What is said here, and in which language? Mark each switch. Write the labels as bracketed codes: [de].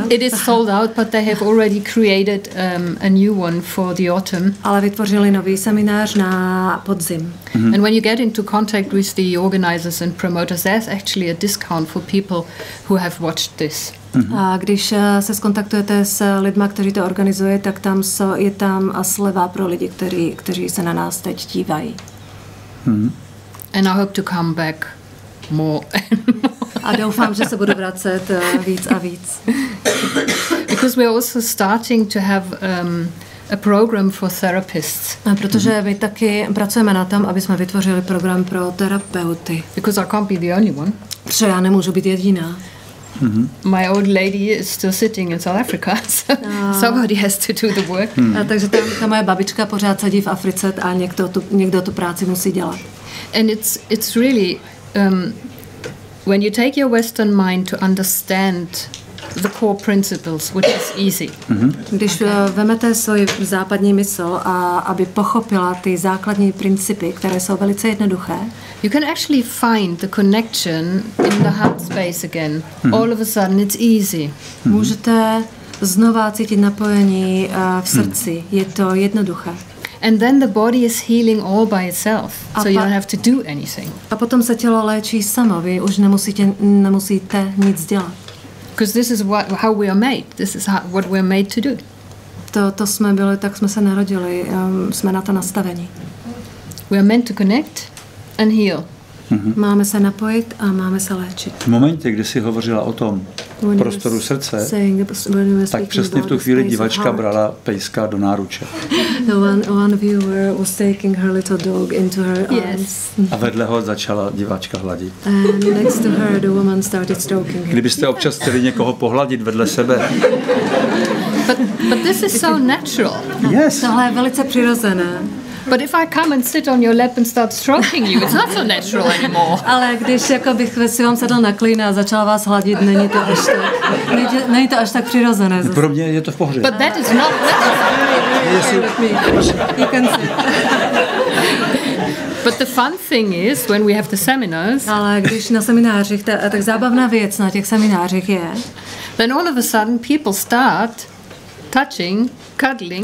[en] It is sold out, but they have already created a new one for the autumn. [cs] Ale vytvořili nový seminář na podzim. Mm-hmm. [en] And when you get into contact with the organizers and promoters, there's actually a discount for people who have watched this. [cs] Mm-hmm. A když se skontaktujete s lidma, kteří to organizuje, tak tam je tam sleva pro lidi, kteří se na nás teď dívají. Mm-hmm. [en] And I hope to come back more and more. [cs] A doufám, že se budu vracet víc a víc. [en] Because we're also starting to have a program for therapists. [cs] Protože my taky pracujeme na tom, aby jsme vytvořili program pro terapeuty. [en] Because I can't be the only one. [cs] Protože já nemůžu být jediná. [en] Mm-hmm. My old lady is still sitting in South Africa, so somebody has to do the work. [cs] A takže ta moje babička pořád sedí v Africe a někdo tu práci musí dělat. [en] And it's really when you take your Western mind to understand the core principles, which is easy. Mm-hmm. [cs] Když vezmete svoji západní mysl a aby pochopila ty základní principy, které jsou velice jednoduché, [en] you can actually find the connection in the heart space again. Mm-hmm. All of a sudden, it's easy. Mm-hmm. [cs] Můžete znova cítit napojení v srdci. Mm-hmm. Je to jednoduché. [en] And then the body is healing all by itself, so you don't have to do anything. [cs] A potom se tělo léčí samo, vy už nemusíte nic dělat. [en] Because this is how we are made. This is what we're made to do. [cs] To jsme byli, tak jsme se narodili, jsme na to nastaveni. [en] We are meant to connect and heal. Mm-hmm. [cs] Máme se napojit a máme se léčit. V momentě, kdy jsi hovořila o tom [en] when [cs] prostoru srdce, [en] saying, [cs] tak přesně v tu chvíli divačka brala pejska do náruče. [en] One viewer was taking her little dog into her arms. [cs] A vedle ho začala divačka hladit. [en] And next to her, the woman started stroking him. [cs] Kdybyste občas chtěli někoho pohladit vedle sebe. [en] But this is so natural. Yes. [cs] Tohle je velice přirozené. [en] But if I come and sit on your lap and start stroking you, it's not so natural anymore. [cs] Ale když jako bych si vám sedl na klína a začal vás hladit, není to až tak, není to až tak přirozené. No, pro mě je to v pohodě. [en] But that is not natural. You can sit. But the fun thing is, when we have the seminars. [cs] Ale když na seminářích, tak zábavná věc na těch seminářích je. [en] Then all of a sudden people start touching, cuddling.